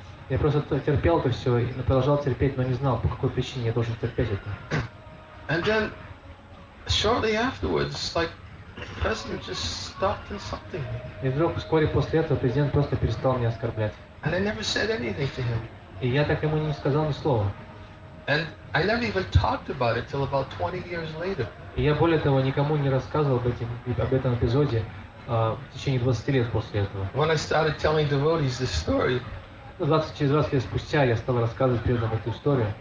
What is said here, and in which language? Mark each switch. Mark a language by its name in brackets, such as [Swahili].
[Russian] Я просто терпел это все, и продолжал терпеть, но не знал, по какой причине я должен терпеть это. [English] And then, shortly afterwards, like, the president just stopped insulting me. [Russian] И вдруг, вскоре после этого, президент просто перестал меня оскорблять. [English] And I never said anything to him. [Russian] И я так ему не сказал ни слова. [English] And I never even talked about it till about 20 years later. [Russian] И я более того никому не рассказывал об этом эпизоде в течение 20 лет после этого. [English] When I started telling devotees this story, [Russian] 20 лет спустя я стал рассказывать преданным эту историю.